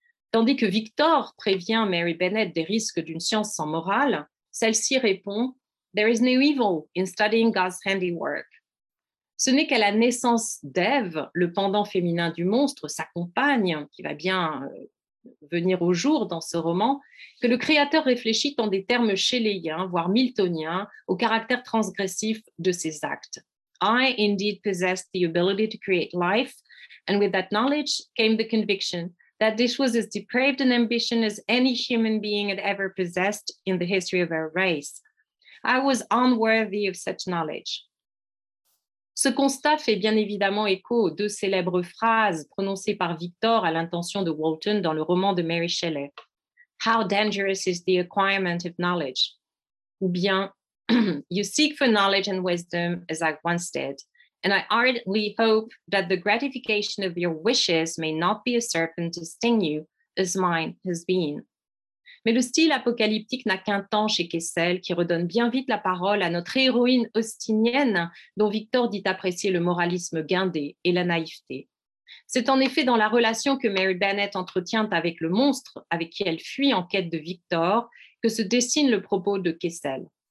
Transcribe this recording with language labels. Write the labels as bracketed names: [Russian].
[French] Tandis que Victor prévient Mary Bennett des risques d'une science sans morale, celle-ci répond « [English] There is no evil in studying God's handiwork ». [French] Ce n'est qu'à la naissance d'Ève, le pendant féminin du monstre, sa compagne, qui va bien venir au jour dans ce roman, que le créateur réfléchit en des termes schéléiens, voire miltoniens, au caractère transgressif de ses actes. [English] « I indeed possess the ability to create life, and with that knowledge came the conviction » that this was as depraved an ambition as any human being had ever possessed in the history of our race. I was unworthy of such knowledge. [French] Ce constat fait bien évidemment écho aux deux célèbres phrases prononcées par Victor à l'intention de Walton dans le roman de Mary Shelley. [English] How dangerous is the acquirement of knowledge? [French] Ou bien, [English] you seek for knowledge and wisdom as I once did. And I ardently hope that the gratification of your wishes may not be a serpent to sting you, as mine has been. [French] Mais le style apocalyptique n'a qu'un temps chez Kessel, qui redonne bien vite la parole à notre héroïne austinienne, dont Victor dit apprécier le moralisme guindé et la naïveté. C'est en effet dans la relation que Mary Bennett entretient avec le monstre, avec qui elle fuit en quête de Victor, que se dessine le propos de Kessel.